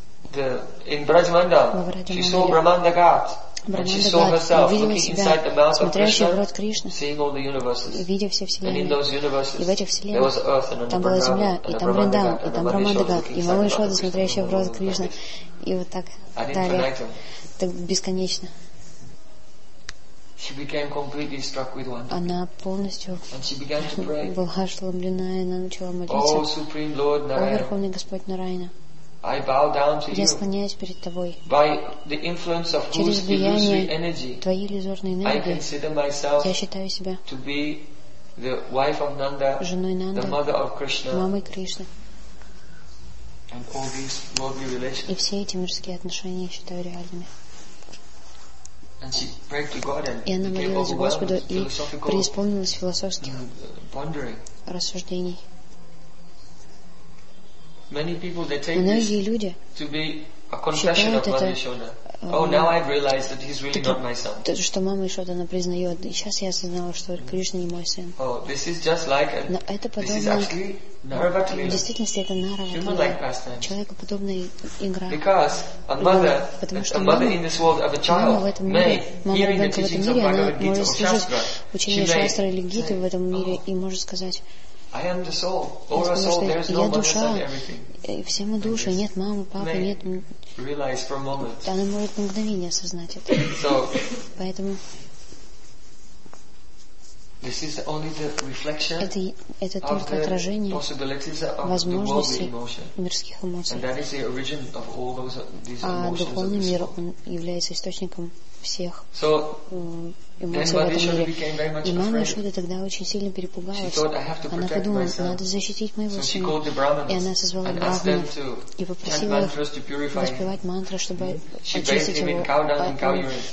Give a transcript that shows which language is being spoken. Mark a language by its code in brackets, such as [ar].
[en] In Brajmandal, she saw Brahmanda Ghat, and she saw herself looking inside the mouth of Krishna, seeing all the universes. [ru] Видя все вселенные. [en] And in those universes, [ru] и в этих вселенных, [en] there was earth and [ru] там была земля, и там Вриндаван, и там Брахманда Гат, и Мама Ишода, смотрящая в рот Кришны, и вот так далее, так бесконечно. [en] She became completely struck with wonder. [ru] Она полностью [en] and she began to pray. [ru] Была ошеломлена, и она начала молиться. [en] О, Supreme Lord Narayana. [ru] О, Верховный Господь Нараяна. [en] I bow down to [ru] Я склоняюсь перед тобой. [en] By the influence of [ru] Через влияние [en] energy, [ru] твоей иллюзорной энергии я считаю себя [en] to be the wife of Nanda, [ru] женой Нанды, [en] the mother of Krishna, [ru] мамой Кришны. [en] And all these lovely relations. [ru] И все эти мирские отношения я считаю реальными. [en] And she prayed to God and [ru] и она молилась Господу и преисполнилась философских [en] pondering. [ru] Рассуждений. [en] Many people they take this to be a confession of Mother Yashoda. Oh, now I've realized that he's really not my son. [ru] То, что мама Ишода она признает, и сейчас я осознала, что Кришна не мой сын. [en] Oh, this is just like a. [ru] Но это подобно. В действительности это Нарватлила. Человеку подобная игра. [en] Because a mother, [ru] потому что [en] a mother in this world of a child, [ru] мама в этом мире, мама ребенка в этом мире, она может слушать учение шастры или гиты в этом мире и может сказать. [en] I am the soul. All our soul, there is no mother and everything. [ru] Все мы души, нет мамы, папы, нет. [en] Realize for a moment. [ru] Она может на мгновение осознать это. [en] So, [ru] поэтому. [en] This is only the reflection. [ru] Это только отражение возможности мирских эмоций. [en] And that is the origin of all those these emotions. [ru] А духовный мир он является источником всех. [en] So. [ru] И мама Ишода тогда очень сильно перепугалась. Она подумала, надо защитить моего сына. И она созвала брахманов и попросила воспевать мантры, чтобы очистить его.